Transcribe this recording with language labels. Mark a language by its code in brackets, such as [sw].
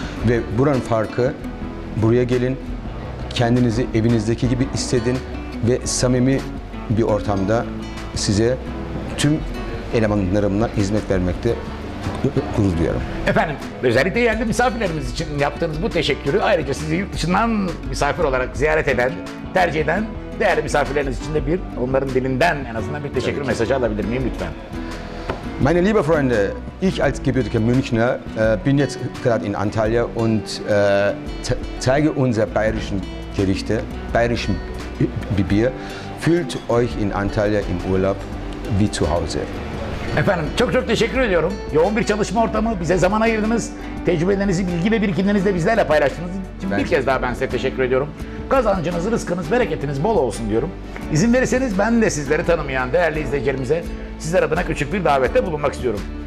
[tr] Ve buranın farkı, buraya gelin, kendinizi evinizdeki gibi hissedin ve samimi bir ortamda size tüm elemanlarımla hizmet vermekte gurur duyuyorum. Efendim, özellikle yerli misafirlerimiz için yaptığınız bu teşekkürü ayrıca sizi yurt dışından misafir olarak ziyaret eden, tercih eden değerli misafirleriniz için de bir onların dilinden en azından bir teşekkür tabii mesajı ki. Alabilir miyim lütfen? [de] Meine liebe Freunde, ich als gebürtiger Münchner bin jetzt gerade in Antalya und zeige unser bayerischen Gerichte, bayerischen Bier. Fühlt euch in Antalya im Urlaub wie zu Hause. [tr] Efendim çok çok teşekkür ediyorum. Yoğun bir çalışma ortamı, bize zaman ayırdınız. Tecrübelerinizi, bilgi ve birikimlerinizi de bizlerle paylaştınız. Şimdi bir kez daha ben size teşekkür ediyorum. Kazancınız, rızkınız, bereketiniz bol olsun diyorum. İzin verirseniz ben de sizleri tanımayan değerli izleyicilerimize sizler adına küçük bir davette bulunmak istiyorum.